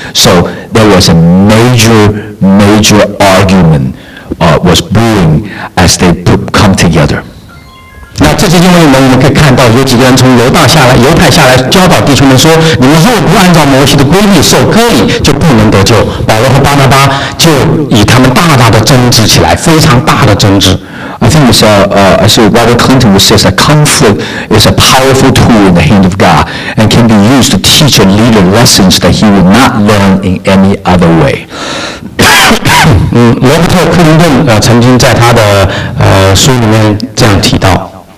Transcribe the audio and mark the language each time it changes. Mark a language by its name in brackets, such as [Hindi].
[English] So there was a major argument was brewing as they come together. [Chinese] 那这些经文里面，我们可以看到有几个人从犹太下来，教导弟兄们说：“你们若不按照摩西的规律受割礼，就不能得救。” 保罗和巴拿巴就以他们大大的争执起来，非常大的争执。 [English] I think it's as Robert Clinton would say, that conflict is a powerful tool in the hand of God and can be used to teach a leader lessons that he would not learn in any other way. [Chinese] 罗伯特·克林顿曾经在他的书里面这样提到。